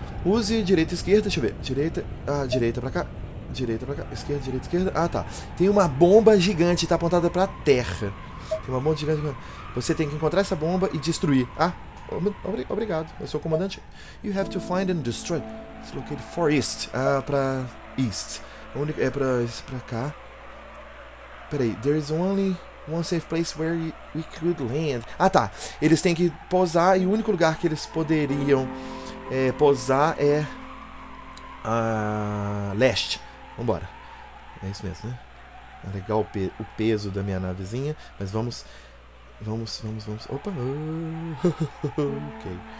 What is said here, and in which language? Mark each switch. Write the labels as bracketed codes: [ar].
[pt] Use direita e esquerda, deixa eu ver. Direita, direita pra cá. Direita pra cá. Esquerda, direita, esquerda. Ah, tá. Tem uma bomba gigante, tá apontada pra terra. Tem uma bomba gigante. Você tem que encontrar essa bomba e destruir. Ah, obrigado. Eu sou comandante. [en] You have to find and destroy. It's located for east. Ah, pra east. [pt] É pra isso, pra cá. Peraí, [en] there is only one safe place where we could land. [pt] Ah, tá. Eles têm que pousar e o único lugar que eles poderiam pousar é a leste. Vambora. É isso mesmo, né? É legal o peso da minha navezinha, mas vamos. Opa! Ok.